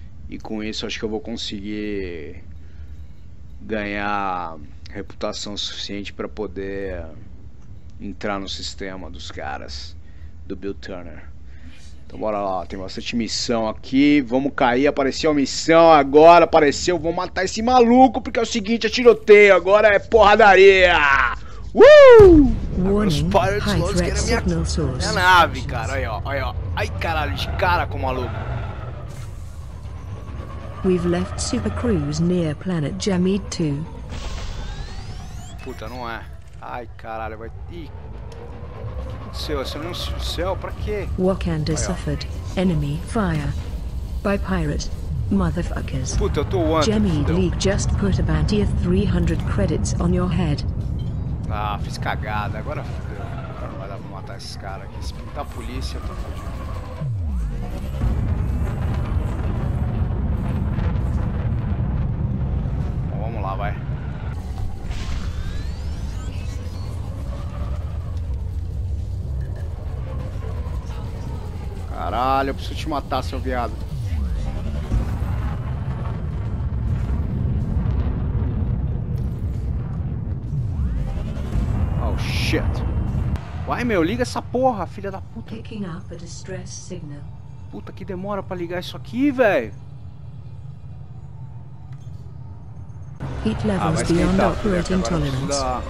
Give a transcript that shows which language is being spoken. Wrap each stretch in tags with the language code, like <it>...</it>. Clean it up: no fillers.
<pt>E com isso acho que eu vou conseguir ganhar reputação suficiente para poder entrar no sistema dos caras, do Bill Turner. Então bora lá, tem bastante missão aqui, vamos cair, apareceu a missão agora, apareceu, vou matar esse maluco porque é o seguinte, é tiroteio, agora é porradaria!</pt> <en>Warning, high threat signal source.</en> <pt>Minha nave, cara, olha, ai, caralho, de cara com o maluco.</pt> <en>We've left Super Cruise near planet Jameed 2.</en> <pt>Puta, não é. Ai, caralho, vai... Ih. Seu, você não... Céu, pra quê?</pt> <en>Wakanda aí, suffered enemy fire by pirates. Motherfuckers.</en> <pt>Puta, eu tô wanted.</pt> <en>Jameed League just put a bounty of 300 credits on your head.</en> <pt>Ah, fiz cagada, agora fudeu. Agora não vai dar pra matar esses caras aqui. Se pintar a polícia, eu tô fudido. Bom, vamos lá, vai. Caralho, eu preciso te matar, seu viado. Uai, meu, liga essa porra, filha da puta.</pt> <en>Picking up a distress signal.</en> <pt>Puta, que demora pra ligar isso aqui, velho.</pt> <en>Heat levels beyond operating tolerance.</en>